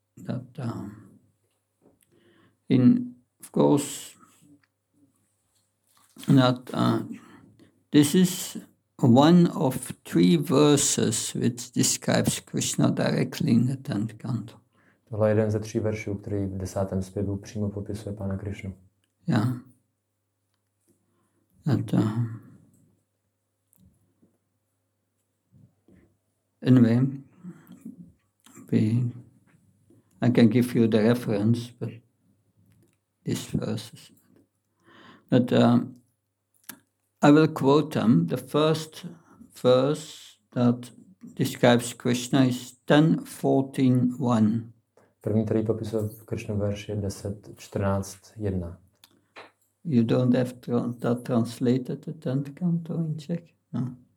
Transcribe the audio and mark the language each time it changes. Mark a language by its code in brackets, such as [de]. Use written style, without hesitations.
[en] That, in, of course, that, this is one of three verses which describes Krishna directly in the 10th canto. [cs] Tohle je jeden ze tří veršů, který v 10. zpěvu přímo popisuje pana Krišnu. [en] Yeah. And, anyway, I can give you the reference, but these verses. But, I will quote them. The first verse that describes Krishna is 10.14.1. [cs] První, který popisuje Krishna verš, je 10.14.1. [en] You don't have that translated, the 10th canto in Czech? No.